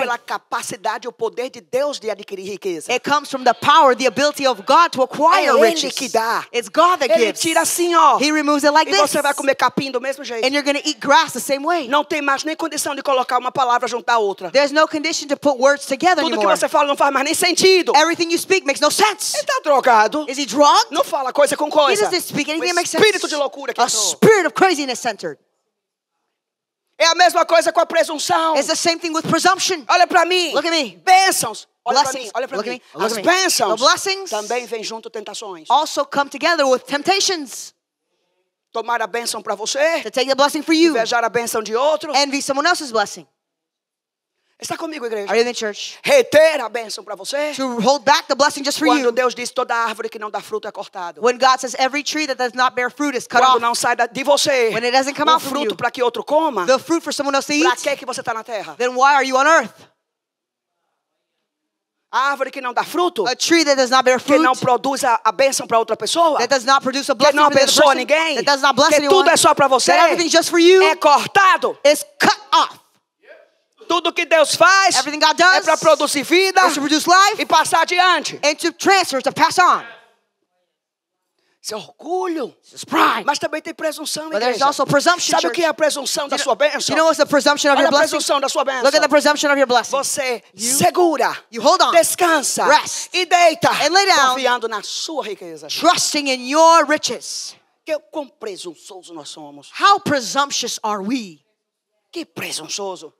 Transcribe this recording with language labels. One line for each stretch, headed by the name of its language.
Portuguese: Veio pela capacidade ou poder de Deus de adquirir riqueza.
English: It comes from the power, the ability of God to acquire riches.
Portuguese: É ele que dá.
English: It's God that
Portuguese: ele
English: gives.
Portuguese: Ele tira assim, ó.
English: He removes it like
Portuguese: e
English: this.
Portuguese: E você vai comer capim do mesmo jeito.
English: And you're going to eat grass the same way.
Portuguese: Não tem mais nem condição de colocar uma palavra junto à outra.
English: There's no condition to put words together
Portuguese: tudo
English: anymore.
Portuguese: Tudo que você fala não faz mais nem sentido.
English: Everything you speak makes no sense.
Portuguese: Ele tá drogado.
English: Is he drunk?
Portuguese: Não fala coisa com coisa.
English: Speak anything that makes sense. A spirit of craziness centered.
Portuguese: É a mesma coisa com a presunção.
English: It's the same thing with presumption.
Portuguese: Olha para mim.
English: Look at me.
Portuguese: Bênçãos.
English: Blessings.
Portuguese: Olha para mim.
English: Look
Portuguese: as bênçãos.
English: The blessings.
Portuguese: Também vem junto tentações.
English: Also come together with temptations.
Portuguese: Tomar a bênção para você.
English: To take the blessing for you.
Portuguese: Invejar a bênção de outro.
English: Envy someone else's blessing.
Portuguese: Está comigo, igreja?
English: Are you in the church?
Portuguese: Reter a bênção para você?
English: To hold back the blessing just for
Portuguese: quando
English: you.
Portuguese: Quando Deus diz toda árvore que não dá fruto é cortado.
English: When God says every tree that does not bear fruit is cut
Portuguese: quando
English: off.
Portuguese: Quando não sai de você.
English: When it doesn't come
Portuguese: o
English: out from
Portuguese: fruto para que outro coma.
English: The fruit for someone else to eat.
Portuguese: Para que você está na terra?
English: Then why are you on earth?
Portuguese: A árvore que não dá fruto.
English: A tree that does not bear fruit.
Portuguese: Que não produz a bênção para outra pessoa.
English: That does not produce a blessing for another person.
Portuguese: Que não abençoa ninguém.
English: That does not bless
Portuguese: que
English: anyone.
Portuguese: Que tudo é só para você.
English: That everything's just for you.
Portuguese: É cortado.
English: Is cut off.
Portuguese: Tudo que Deus faz
English: Everything God does
Portuguese: é para produzir vida
English: to produce life
Portuguese: e passar adiante.
English: And to transfer, to pass on.
Portuguese: Esse é orgulho.
English: This is pride.
Portuguese: Mas também tem presunção, igreja.
English: But there's also presumption,
Portuguese: Sabe o que é a presunção da sua bênção?
English: You know what's the presumption of your blessing?
Portuguese: Olha a presunção da sua bênção.
English: Look at the presumption of your blessing.
Portuguese: Você segura.
English: You hold on.
Portuguese: Descansa.
English: Rest.
Portuguese: E deita.
English: And lay down.
Portuguese: Confiando na sua riqueza.
English: Trusting in your riches.
Portuguese: Quão presunçosos nós somos.
English: How presumptuous are we?
Portuguese: Que presunçoso.